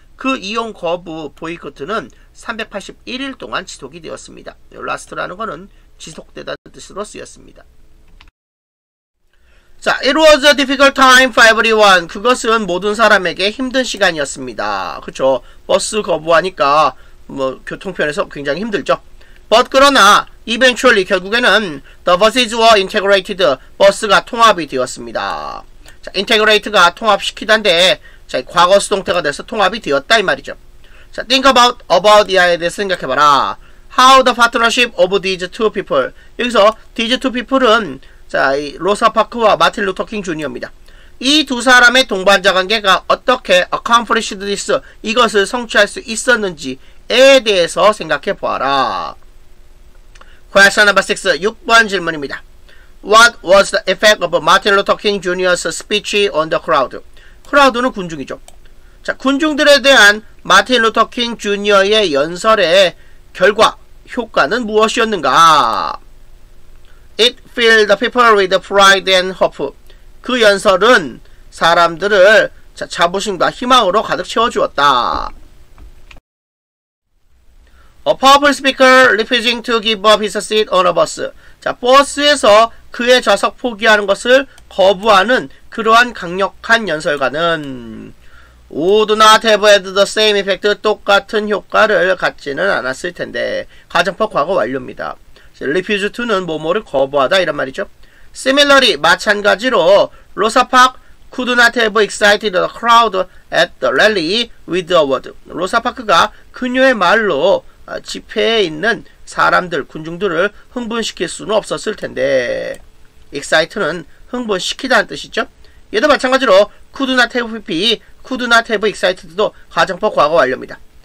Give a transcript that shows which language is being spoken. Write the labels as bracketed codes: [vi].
[ko] 그 이용 거부 보이콧은 381일 동안 지속이 되었습니다. last라는 것은 지속되다는 뜻으로 쓰였습니다. [en] 자, it was a difficult time for everyone. [ko] 그것은 모든 사람에게 힘든 시간이었습니다. 그렇죠. 버스 거부하니까 뭐 교통편에서 굉장히 힘들죠. [en] But 그러나 eventually 결국에는 the buses were integrated. [ko] 버스가 통합이 되었습니다. 자, integrate가 통합시키다인데 자, 과거 수동태가 돼서 통합이 되었다 이 말이죠. [en] 자, think about the idea [ko] 생각해봐라. [en] How the partnership of these two people. [ko] 여기서 [en] these two people [ko] 은 자, 이 로사 파크와 마틴 루터 킹 주니어입니다. 이 두 사람의 동반자 관계가 어떻게 [en] accomplished this, [ko] 이것을 성취할 수 있었는지에 대해서 생각해 보아라. [en] Question number 6, [ko] 6번 질문입니다. [en] What was the effect of Martin Luther King Jr.'s speech on the crowd? [ko] 크라우드는 군중이죠. 자, 군중들에 대한 마틴 루터 킹 주니어의 연설의 결과, 효과는 무엇이었는가? [en] It filled the people with pride and hope. [ko] 그 연설은 사람들을 자부심과 희망으로 가득 채워주었다. [en] A powerful speaker refusing to give up his seat on a bus. [ko] 자, 버스에서 그의 좌석 포기하는 것을 거부하는 그러한 강력한 연설가는 [en] Would not have had the same effect. [ko] 똑같은 효과를 갖지는 않았을 텐데. 가정법 과거 완료입니다. Refuse to는 뭐뭐를 거부하다 이런 말이죠. [en] Similarly, 마찬가지로 Rosa Parks could not have excited the crowd at the rally with a word. [ko] 로사 파크가 그녀의 말로 집회에 있는 사람들, 군중들을 흥분시킬 수는 없었을 텐데. Excite는 흥분시키다는 뜻이죠. 얘도 마찬가지로 could not have pp, [en] could not have excited [ko] 도 가정법 과거 완료입니다.